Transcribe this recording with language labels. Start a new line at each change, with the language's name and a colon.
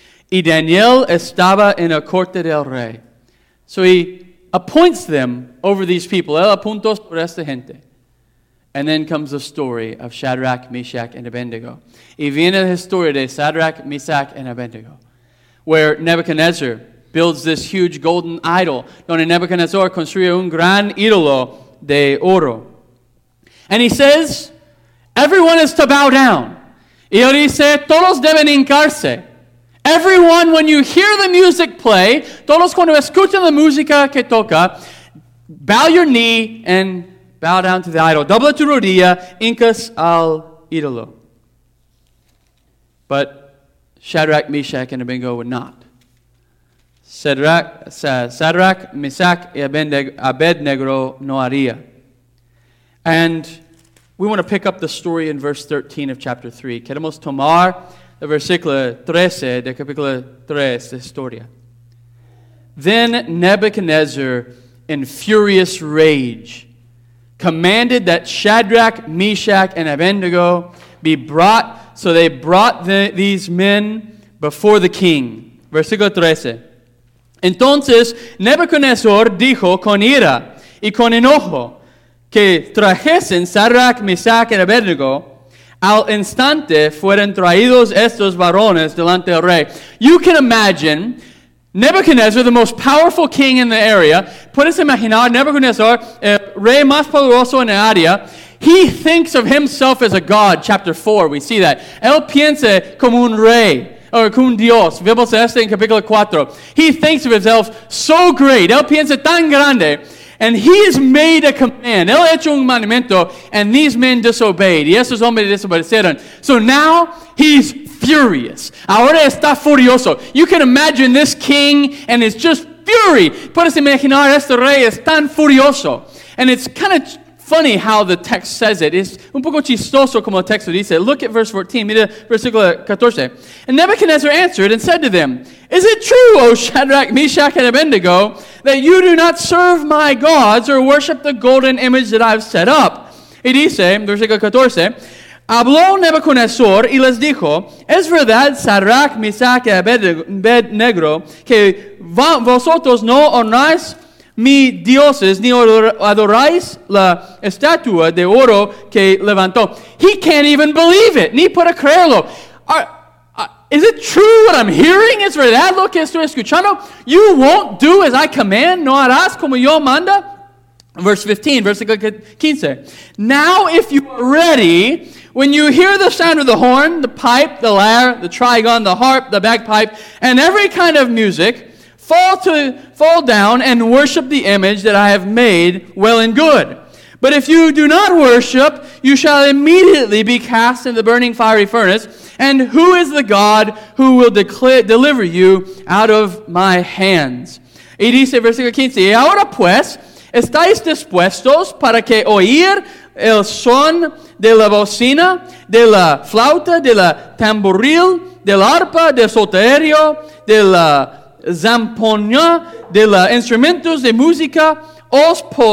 Spanish: Y Daniel estaba en la corte del rey.
English: So he appoints them over these people.
Spanish: Él apuntó sobre esta gente.
English: And then comes the story of Shadrach, Meshach, and Abednego.
Spanish: Y viene la historia de Shadrach, Meshach, and Abednego,
English: where Nebuchadnezzar builds this huge golden idol,
Spanish: donde Nebuchadnezzar construye un gran ídolo de oro.
English: And he says, everyone is to bow down.
Spanish: Y él dice, todos deben hincarse.
English: Everyone, when you hear the music play,
Spanish: todos cuando escuchan la música que toca,
English: bow your knee and bow down to the idol.
Spanish: Dobla tu rodilla, incas al ídolo.
English: But Shadrach, Meshach, and Abednego would not. Shadrach, Meshach, and Abednego
Spanish: no haría.
English: And we want to pick up the story in verse 13 of chapter 3.
Spanish: Queremos tomar el versículo 13 de capítulo 3 de historia.
English: Then Nebuchadnezzar, in furious rage, commanded that Shadrach, Meshach, and Abednego be brought. So they brought these men before the king.
Spanish: Versículo 13. Entonces Nebuchadnezzar dijo con ira y con enojo que trajesen Shadrach, Meshach, y Abednego. Al instante fueron traídos estos varones delante del rey.
English: You can imagine Nebuchadnezzar, the most powerful king in the area.
Spanish: Puedes imaginar Nebuchadnezzar, el rey más poderoso en el área.
English: He thinks of himself as a god. Chapter 4, we see that.
Spanish: Él piensa como un rey, or como un dios. Vemos esto en capítulo 4.
English: He thinks of himself so great.
Spanish: Él piensa tan grande.
English: And he has made a command.
Spanish: Él ha hecho un mandamiento,
English: and these men disobeyed.
Spanish: Y esos hombres desobedecieron.
English: So now, he's furious.
Spanish: Ahora está furioso.
English: You can imagine this king, and it's just fury.
Spanish: Puedes imaginar, este rey es tan furioso.
English: And it's kind of funny how the text says it. It's
Spanish: un poco chistoso como el texto dice.
English: Look at verse 14.
Spanish: Mira versículo 14.
English: And Nebuchadnezzar answered and said to them, "Is it true, O Shadrach, Meshach, and Abednego, that you do not serve my gods or worship the golden image that I have set up?"
Spanish: Y dice, versículo 14, habló Nebuchadnezzar y les dijo, "Es verdad, Shadrach, Meshach, y Abednego, que vosotros no honráis mi dioses, ni adoráis la estatua de oro que levantó."
English: He can't even believe it.
Spanish: Ni puede creerlo.
English: Is it true what I'm hearing?
Spanish: Is verdad lo que estoy escuchando?
English: You won't do as I command.
Spanish: No harás como yo manda.
English: Verse 15,
Spanish: versículo 15.
English: Now if you are ready, when you hear the sound of the horn, the pipe, the lyre, the trigon, the harp, the bagpipe, and every kind of music, Fall down and worship the image that I have made, well and good. But if you do not worship, you shall immediately be cast in the burning fiery furnace. And who is the God who will deliver you out of my hands?
Spanish: Y dice, versículo 15, y ahora pues, ¿estáis dispuestos para que oír el son de la bocina, de la flauta, de la tamboril, del arpa, del solterio, de la Zampoña de la instrumentos de música, os